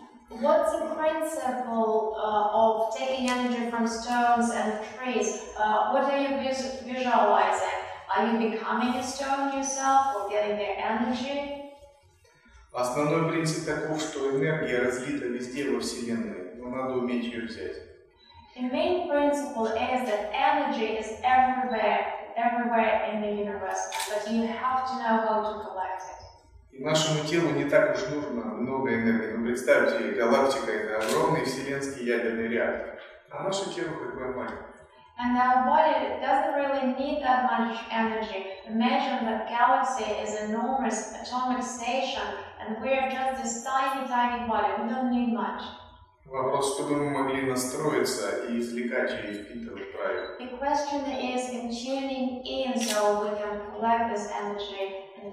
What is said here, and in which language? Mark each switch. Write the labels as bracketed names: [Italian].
[English] What's the principle of taking energy from stones and trees? What are you visualizing? Are you becoming a stone yourself or getting their energy? [Russian] Основной принцип таков, что энергия разлита везде во Вселенной, но надо уметь ее взять. The main principle is that energy is everywhere in the universe, but you have to know how to collect it. И нашему телу не так уж нужно много энергии. Но представьте, галактика — это огромный вселенский ядерный реактор. А наше тело какое маленькое. [English] And our body doesn't really need that much energy. Imagine that galaxy is an enormous atomic station, and we are just this tiny, tiny body. We don't need much. [Russian] Вопрос, чтобы мы могли настроиться и извлекать ее и впитывать правильно. [English] The question is in tuning in so we can collect this energy.